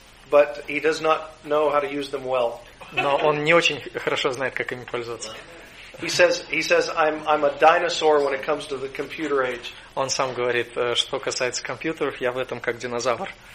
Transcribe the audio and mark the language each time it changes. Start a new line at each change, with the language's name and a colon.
English: But he does not know how to use them well.
Russian: Но он не очень хорошо знает, как ими пользоваться.
English: He says, I'm a dinosaur when it comes to the computer age.
Russian: Он сам говорит, что касается компьютеров, я в этом как динозавр.